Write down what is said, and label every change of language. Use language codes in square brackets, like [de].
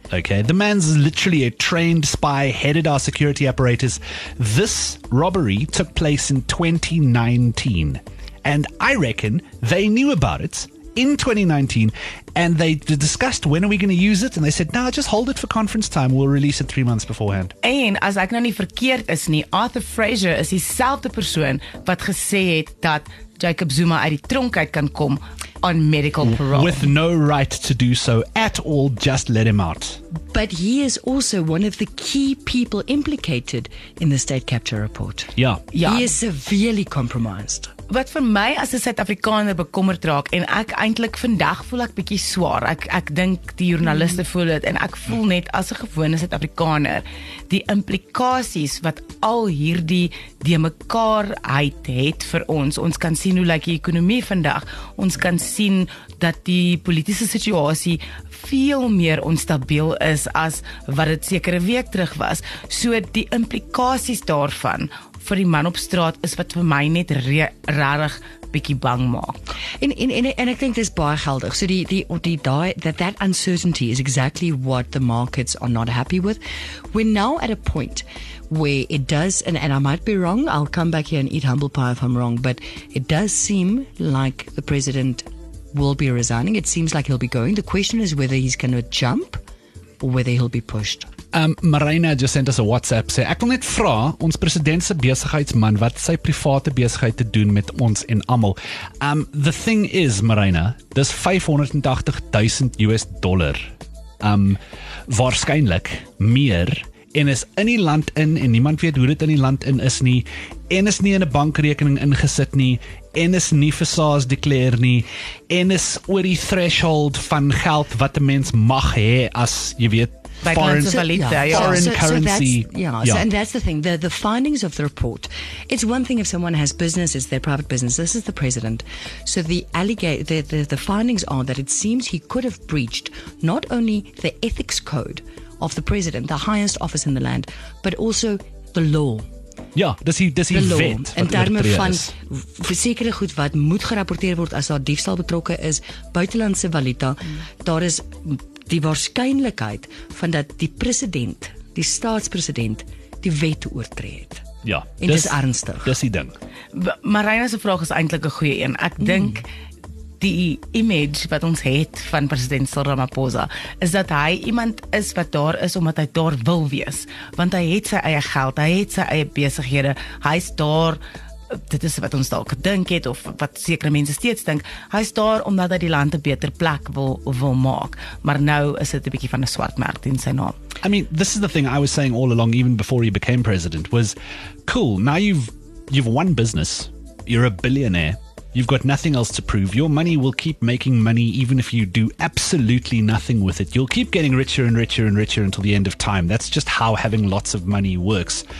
[en] Okay, the man's literally a trained spy, headed our security apparatus. This robbery took place in 2019. And I reckon they knew about it in 2019. And they discussed, when are we going to use it? And they said, nah, just hold it for conference time. We'll release it 3 months beforehand. [af] En as ek nou nie verkeerd is nie, Arthur Fraser is dieselfde persoon wat gesê het dat Jacob Zuma uit die tronk uit kan kom [en] on medical parole. With no right to do so at all, just let him out. But he is also one of the key people implicated in the state capture report. Yeah. He is severely compromised. [af] wat vir my as 'n Suid-Afrikaner bekommerd raak en ek eintlik vandag voel ek bietjie swaar. Ek dink die joernaliste voel dit en ek voel net as 'n gewone Suid-Afrikaner die implikasies wat al hierdie de mekaar uit het vir ons. Ons kan sien hoe lyk die ekonomie vandag. Ons kan sien dat die politieke situasie veel meer onstabiel is as wat dit sekere week terug was. So die implikasies daarvan vir die man op straat is wat vir my net rarig bietjie bang maak. En ek dink dit is baie geldig. [en] So that uncertainty is exactly what the markets are not happy with. We're now at a point where it does, and I might be wrong, I'll come back here and eat humble pie if I'm wrong, but it does seem like the president will be resigning. It seems like he'll be going. The question is whether he's going to jump or whether he'll be pushed. Marina just sent us a WhatsApp. [af] Sê, ek wil net vra, ons president se besigheidsman, wat sy private besigheid te doen met ons en almal. [en] The thing is, Marina, dis $580,000. [af] Waarskynlik meer, en is in die land in, en niemand weet hoe dit in die land in is nie, en is nie in 'n bankrekening ingesit nie, en is nie vir SARS declare nie, en is oor die threshold van geld wat 'n mens mag hê as, jy weet, foreign currency. [en] And that's the thing, the findings of the report, it's one thing if someone has business, it's their private business, this is the president. So the findings are that it seems he could have breached not only the ethics code of the president, the highest office in the land, but also the law. [af] Ja, dis die wet wat oortree is. In terme van sekere goed wat moet gerapporteer word as daar diefstal betrokke is, buitelandse valuta, daar is die waarskynlikheid van dat die president, die staatspresident, die wet oortree het. Ja, en dis ernstig. Dis die ding. Marina se vraag is eintlik 'n goeie een. Ek dink die image wat ons het van president Cyril Ramaphosa is dat hy iemand is wat daar is omdat hy daar wil wees. Want hy het sy eie geld, hy het sy eie besighede, hy is daar, dit is wat ons dalk gedink het of wat sekere mense steeds dink, hy is daar omdat hy die land 'n beter plek wil maak. Maar nou is dit 'n bietjie van 'n swart merk in sy naam. [en] I mean, this is the thing I was saying all along, even before he became president, was cool, now you've won business, you're a billionaire, you've got nothing else to prove. Your money will keep making money even if you do absolutely nothing with it. You'll keep getting richer and richer and richer until the end of time. That's just how having lots of money works.